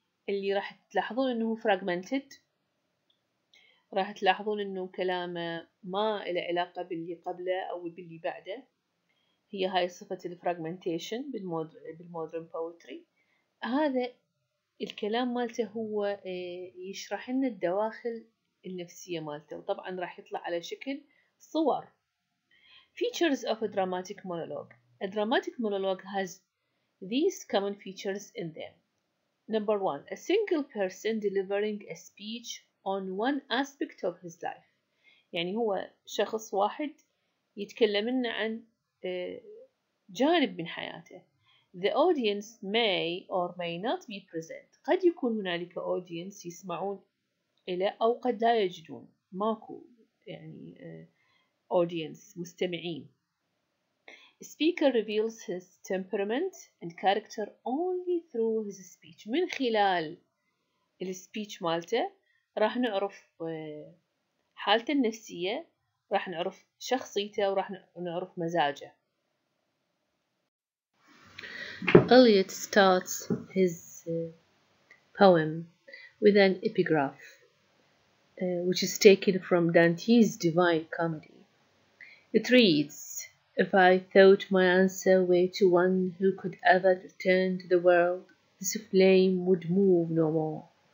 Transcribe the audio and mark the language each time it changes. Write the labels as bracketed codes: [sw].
[ar] اللي راح تلاحظون انه هو fragmented، راح تلاحظون انه كلامه ما له علاقة باللي قبله او باللي بعده. هي هاي صفة الفراجمنتيشن بالمودرن بويتري. هذا الكلام مالته هو يشرح لنا الدواخل النفسية مالته، وطبعا راح يطلع على شكل صور. [en] Features of a dramatic monologue. A dramatic monologue has these common features in them. Number one, a single person delivering a speech on one aspect of his life. [ar] يعني هو شخص واحد يتكلم لنا عن جانب من حياته. [en] The audience may or may not be present. [ar] قد يكون هنالك audience يسمعون إلى أو قد لا يجدون. ماكو يعني audience مستمعين. [en] Speaker reveals his temperament and character only through his speech. [ar] من خلال الspeech مالته راح نعرف حالته النفسية، راح نعرف شخصيته، وراح نعرف مزاجه. [en] Eliot starts his poem with an epigraph which is taken from Dante's Divine Comedy. It reads, if I thought my answer were to one who could ever return to the world, this flame would move no more.